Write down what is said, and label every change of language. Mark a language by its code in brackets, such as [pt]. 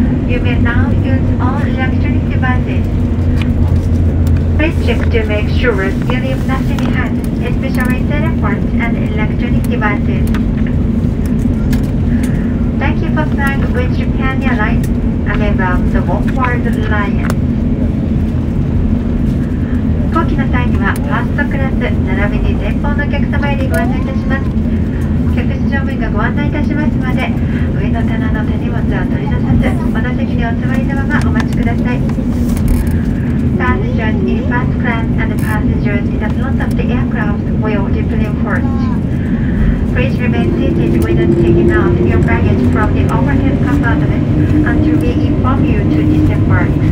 [en] You may now use all electronic devices. Please check to make sure you leave nothing behind, especially cell phones and electronic devices. Thank you for flying with Japan Airlines, a member of the One World Alliance. [ja] 飛行機の際にはファーストクラス並びに前方のお客様よりご案内いたします。客室乗務員がご案内いたしますので、上の棚の手荷物を取り出さず、この席にお座りのままお待ちください。 [en] Passengers in first class and passengers in the front of the aircraft will deploy first. Please remain seated without taking off your baggage from the overhead compartment until we inform you to disembark.